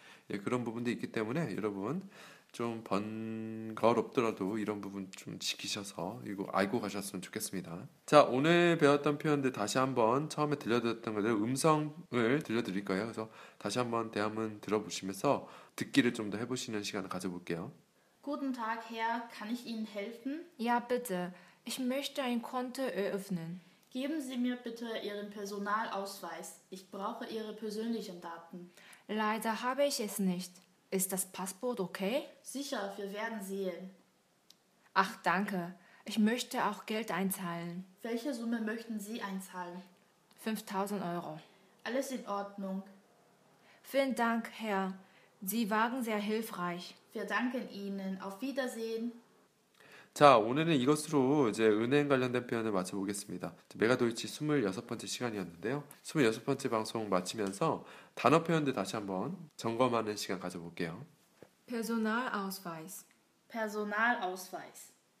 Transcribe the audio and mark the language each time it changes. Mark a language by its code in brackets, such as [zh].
[ko] 예, 그런 부분도 있기 때문에 여러분 좀 번거롭더라도 이런 부분 좀 지키셔서 이거 알고 가셨으면 좋겠습니다. 자, 오늘 배웠던 표현들 다시 한번 처음에 들려드렸던 것들 음성을 들려드릴 거예요. 그래서 다시 한번 대화문 들어보시면서 듣기를 좀 더 해보시는 시간을 가져볼게요. [de] Guten Tag, Herr. Kann ich Ihnen helfen? Ja, bitte. Ich möchte ein Konto eröffnen. Geben Sie mir bitte Ihren Personalausweis. Ich brauche Ihre persönlichen Daten. Leider habe ich es nicht. Ist das Passwort okay? Sicher, wir werden sehen. Ach, danke. Ich möchte auch Geld einzahlen. Welche Summe möchten Sie einzahlen? 5000 Euro. Alles in Ordnung. Vielen Dank, Herr. Sie waren sehr hilfreich. Wir danken Ihnen. Auf Wiedersehen. [ko] 자, 오늘은 이것으로 이제 은행 관련된 표현을 마쳐보겠습니다. 메가도이치 26번째 시간이었는데요. 26번째 방송 마치면서 단어 표현들 다시 한번 점검하는 시간 가져볼게요. [de] Personalausweis. Personalausweis.